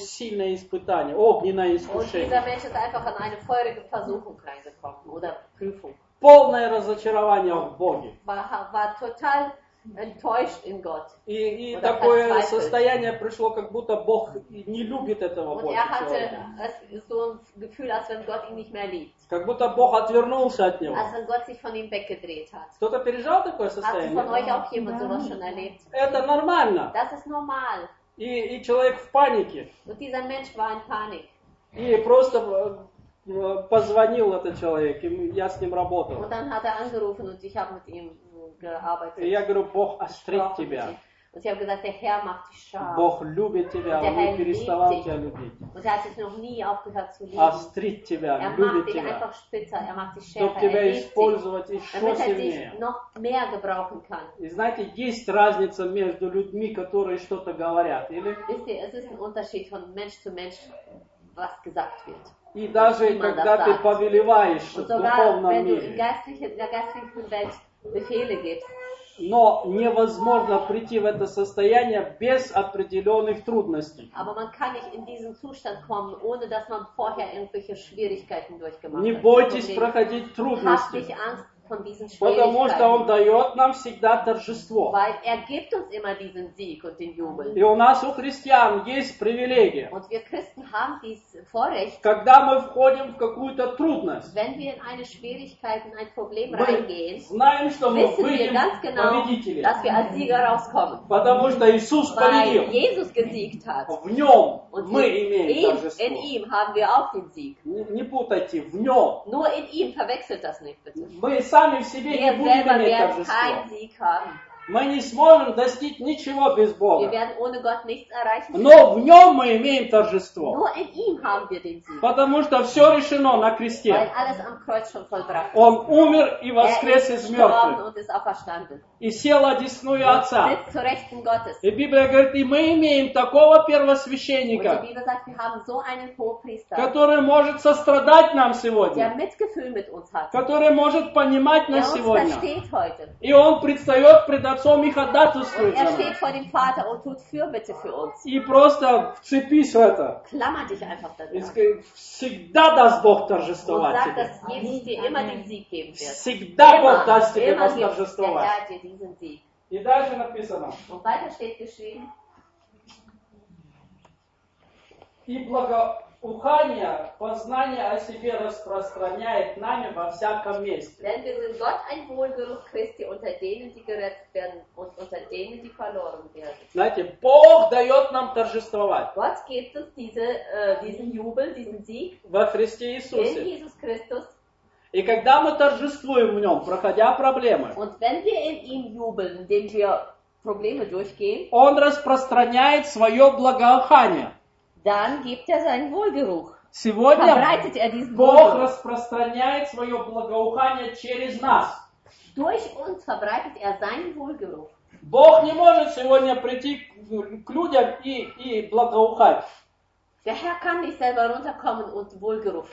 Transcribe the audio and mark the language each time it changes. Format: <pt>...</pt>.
<de>der ist von klein auf gläubig und ist ein guter Diener. Und dieser Mensch ist einfach an eine feurige Versuchung reingekommen oder Prüfung.</de> <ru>Полное разочарование в Боге.</ru> <de>War total enttäuscht in Gott.</de> <ru>И такое состояние пришло, как будто Бог не любит этого Бога.</ru> <de>Und</de> <ru>больше,</ru> <de>er hatte so ein Gefühl, als wenn Gott ihn nicht mehr liebt.</de> <ru>Как будто Бог отвернулся от него.</ru> <de>Als wenn Gott sich von ihm weggedreht hat.</de> <ru>Кто-то пережил такое состояние?</ru> <de>Hat von euch auch jemand sowas schon erlebt?</de> <ru>Это нормально.</ru> <de>Das ist normal.</de> <ru>И человек в панике.</ru> <de>Und dieser Mensch war in Panik.</de> <ru>И просто позвонил этот человек, и я с ним работал.</ru> <de>Und dann hat angerufen und ich habe mit ihm gearbeitet.</de> <ru>И я говорю, Бог острит тебя.</ru> <de>Und ich habe gesagt, der Herr macht dich scharf.</de> <ru>Бог любит тебя,</ru> <de>und</de> <ru>он не переставал тебя любить.</ru> <de>Und er hat sich noch nie aufgehört zu lieben.</de> <ru>Острит тебя, любит тебя.</ru> <de>Er macht dich einfach spitzer, er macht dich schärfer,</de> <ru>тебя использовать еще сильнее.</ru> <de>Damit er dich noch mehr gebrauchen kann.</de> <ru>И знаете, есть разница между людьми, которые что-то говорят, или?</ru> <de>Wisst ihr, es ist ein Unterschied von Mensch zu Mensch, was gesagt wird.</de> <ru>И даже когда ты повелеваешь в духовном мире. Но невозможно прийти в это состояние без определенных трудностей.</ru> <de>Aber man kann nicht in diesen Zustand kommen, ohne dass man vorher irgendwelche Schwierigkeiten durchgemacht hat.</de> <ru>Не бойтесь проходить трудности.</ru> <de>Hab nicht Angst von diesen Schwierigkeiten.</de> <ru>Потому что он дает нам всегда торжество.</ru> <de>Weil gibt uns immer diesen Sieg und den Jubel.</de> <ru>И у нас у христиан есть привилегия.</ru> <de>Und wir Christen haben dieses Vorrecht.</de> <ru>Когда мы входим в какую-то трудность.</ru> <de>Wenn wir in eine Schwierigkeit, in ein Problem reingehen.</de> <ru>Знаем, что мы выйдем.</ru> <de>Genau, dass wir als Sieger rauskommen.</de> <ru>Потому что Иисус победил.</ru> <de>Weil Jesus gesiegt hat.</de> <ru>В нем</ru> <de>und</de> <ru>мы имеем торжество.</ru> <de>In ihm haben wir auch den Sieg.</de> <ru>Не путайте, в нем.</ru> <de>Nur in ihm, verwechselt das nicht, bitte.</de> <ru>Мы сами в себе</ru> <de>wir</de> <ru>не будем иметь торжество.</ru> <de>Keinen Sieg haben.</de> <ru>Мы не сможем достичь ничего без Бога.</ru> <de>Wir werden ohne Gott nichts erreichen.</de> <ru>Но в нем мы имеем торжество.</ru> <de>Nur in ihm haben wir den Sieg.</de> <ru>Потому что все решено на кресте.</ru> <de>Weil alles am Kreuz schon vollbracht.</de> <ru>Он умер и воскрес из мертвых. И сел одесную Отца.</ru> <de>Und sitzt zur Rechten Gottes.</de> <ru>И Библия говорит, и мы имеем такого первосвященника,</ru> <de>und die Bibel sagt, wir haben so einen Hohepriester,</de> <ru>который может сострадать нам сегодня,</ru> <de>der Mitgefühl mit uns hat,</de> <ru>который может понимать нас сегодня.</ru> <de>Uns versteht heute.</de> <ru>И он предстает пред Отцом и ходатайствует за нас.</ru> <de>Und er steht vor dem Vater und tut Fürbitte für uns.</de> <ru>И просто вцепись в это.</ru> <de>Klammer dich einfach daran.</de> <ru>Всегда даст Бог торжествовать тебе.</ru> <de>Und sagt, dass Jesus dir immer den Sieg geben wird.</de> <ru>Всегда Бог даст тебе восторжествовать.</ru> <de>Immer gibt der Herr dir diesen Sieg.</de> <ru>И дальше написано.</ru> <de>Und weiter steht geschrieben.</de> <ru>И благоухание, познание о себе распространяет нами во всяком месте.</ru> <de>Denn wir sind Gott ein Wohlgeruch Christi unter denen, die gerettet werden und unter denen, die verloren werden.</de> <ru>Знаете, Бог дает нам торжествовать.</ru> <de>Gott gibt uns diesen Jubel, diesen Sieg</de> <ru>во Христе Иисусе.</ru> <de>In Jesus Christus.</de> <ru>И когда мы торжествуем в нем, проходя проблемы,</ru> <de>und wenn wir in ihm jubeln, indem wir Probleme durchgehen,</de> <ru>он распространяет свое благоухание.</ru> <de>Dann gibt seinen Wohlgeruch.</de> <ru>Сегодня</ru> <de>verbreitet diesen</de> <ru>Бог Wohlgeruch. Распространяет свое благоухание через нас.</ru> <de>Durch uns verbreitet seinen Wohlgeruch.</de> <ru>Бог не может сегодня прийти к людям и благоухать.</ru> <de>Der Herr kann nicht selber runterkommen und wohlgerufen</de>